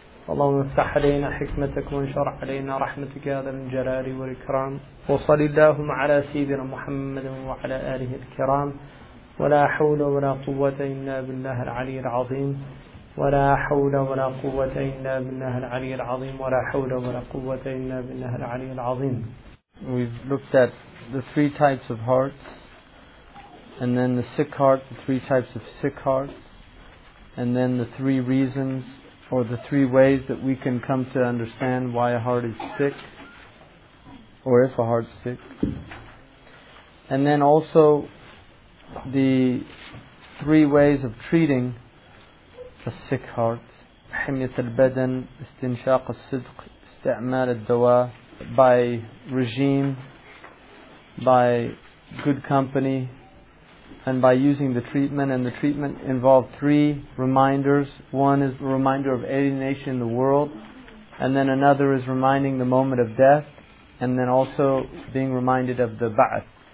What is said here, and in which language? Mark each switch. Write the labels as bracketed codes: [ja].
[ar] اللهم افتح علينا حكمتك وانشرح علينا رحمتك يا ذا الجلال والإكرام. وصلي اللهم على سيدنا محمد وعلى آله الكرام. ولا حول ولا قوة إلا بالله العلي العظيم. ولا حول ولا قوة إلا بالله العلي العظيم. ولا حول ولا قوة إلا بالله العلي العظيم. [en] We've looked at the three types of hearts, and then the sick heart, the three types of sick hearts, and then the three reasons, or the three ways that we can come to understand why a heart is sick, or if a heart's sick. And then also the three ways of treating a sick heart. [ar] حميت البدن, استنشاق الصدق, استعمال الدواء. [en] By regime, by good company, and by using the treatment. And the treatment involved three reminders. One is the reminder of alienation in the world, and then another is reminding the moment of death, and then also being reminded of the ba'ath.